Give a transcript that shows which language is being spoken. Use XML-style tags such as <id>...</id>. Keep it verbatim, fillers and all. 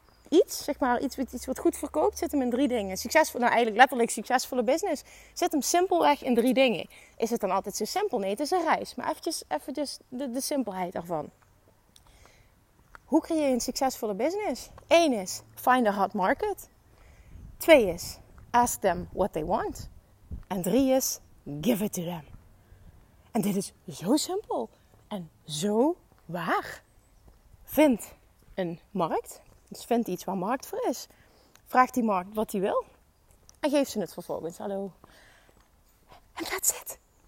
<nl>Iets, zeg maar, iets, iets wat goed verkoopt, zit hem in drie dingen. Succesvol, nou eigenlijk letterlijk succesvolle business, zit hem simpelweg in drie dingen. Is het dan altijd zo simpel? Nee, het is een reis. Maar eventjes, eventjes de, de simpelheid ervan. Hoe creëer je een succesvolle business? Eén is,</nl> <en>find a hot market.</en> <nl>Twee is,</nl> <en>ask them what they want.</en> <nl>En drie is,</nl> <en>give it to them.</en> <nl>En dit is zo simpel en zo waar. Vind een markt. Dus vind iets waar markt voor is. Vraag die markt wat hij wil. En geef ze het vervolgens. Hallo. En</nl> <en>that's it.</en>